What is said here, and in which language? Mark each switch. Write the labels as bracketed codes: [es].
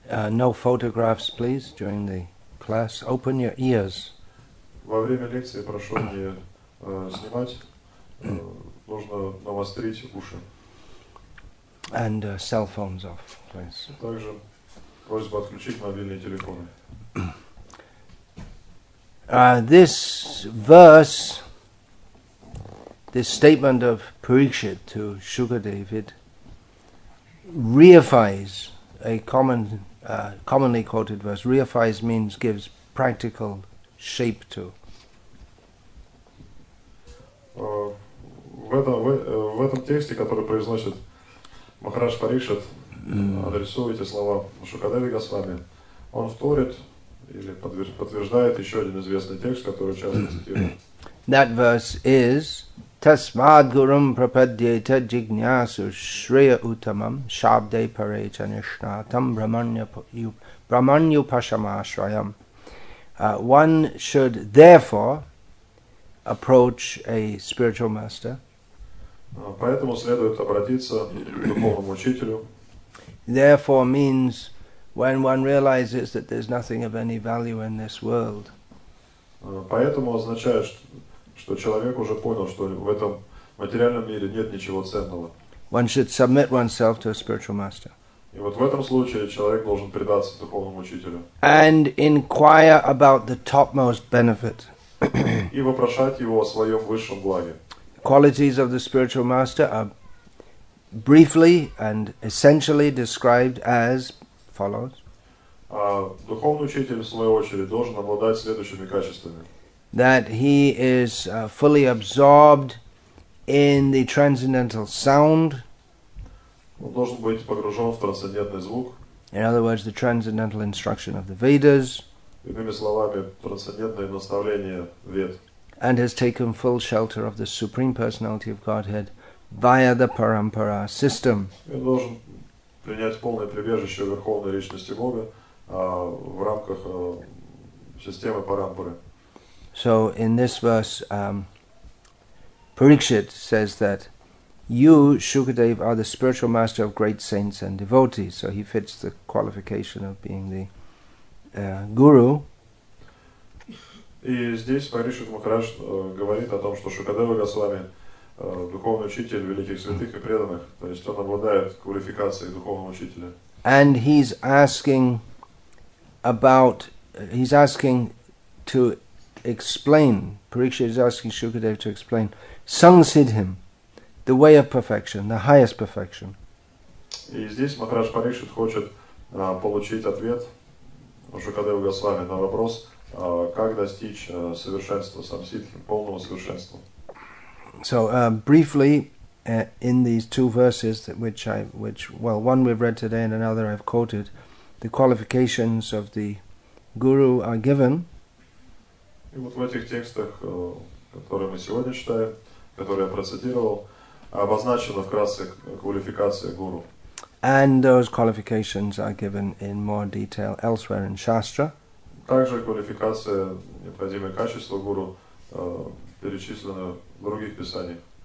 [en] No photographs, please, during the class. Open your ears. [ru] Во время лекции прошу не снимать. Нужно навострить уши. [en] And cell phones off, please. [ru] Также просьба отключить мобильные телефоны. [en] This verse, this statement of Parikshit to Shukadev, it reifies a commonly quoted verse. Reifies means gives practical shape to. [ru] В этом тексте, который произносит Махарадж Парикшит, адресует эти слова Шукадеве Госвами, он вторит или подтверждает еще один известный текст, который часто цитируют. [en] That verse is [sa] Tasmad Gurum Prapadyeta Jignyasu Shriya Uttamam Shabde Pare Chanishnatam Brahmanyu Pashamashrayam. [en] One should therefore approach a spiritual master. [ru] Поэтому следует обратиться к духовному учителю. [en] Therefore means when one realizes that there's nothing of any value in this world. [ru] Поэтому означает, что человек уже понял, что в этом материальном мире нет ничего ценного. [en] One should submit oneself to a spiritual master. [ru] И вот в этом случае человек должен предаться духовному учителю. [en] And inquire about the topmost benefit. [ru] И вопрошать его о своем высшем благе. [en] Qualities of the spiritual master are briefly and essentially described as follows. [ru] Духовный учитель, в свою очередь, должен обладать следующими качествами. [en] That he is fully absorbed in the transcendental sound. [ru] Он должен быть погружен в трансцендентный звук. [en] In other words, the transcendental instruction of the Vedas. [ru] Иными словами, трансцендентное наставление Вед. [en] And has taken full shelter of the Supreme Personality of Godhead via the Parampara system. [ru] Он должен принять полное прибежище Верховной Личности Бога в рамках системы Парампары. [en] So in this verse, Parikshit says that you, Shukadev, are the spiritual master of great saints and devotees. So he fits the qualification of being the guru. [ru] И здесь Парикшит Махарадж говорит о том, что Шукадева Госвами духовный учитель великих святых и преданных, то есть он обладает квалификацией духовного учителя. [en] And he's asking about, he's asking to explain, Parikshit is asking Shukadeva to explain Sangsiddhim, the way of perfection, the highest perfection. [ru] И здесь Махарадж Парикшит хочет получить ответ у Шукадева Госвами на вопрос, как достичь совершенства, самситхи, полного совершенства. [en] So, briefly, in these two verses, one we've read today and another I've quoted, the qualifications of the guru are given. [ru] И вот в этих текстах, которые мы сегодня читаем, которые я процитировал, обозначена вкратце квалификация гуру. [en] And those qualifications are given in more detail elsewhere in Shastra. [ru] Также квалификация, необходимые качества гуру, перечислены в других писаниях.